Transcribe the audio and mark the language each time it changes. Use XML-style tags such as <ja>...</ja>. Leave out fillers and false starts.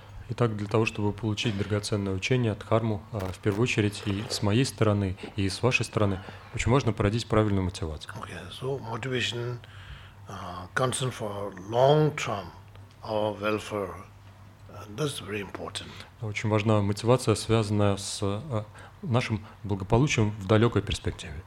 <ru>Итак, для того, чтобы получить драгоценное учение от Дхарму, в первую очередь и с моей стороны, и с вашей стороны, очень важно породить правильную мотивацию.</ru> <en>Okay, so motivation, concern for long-term our welfare, that's very important.</en> <ru>Очень важна мотивация, связанная с нашим благополучием в далекой перспективе.</ru>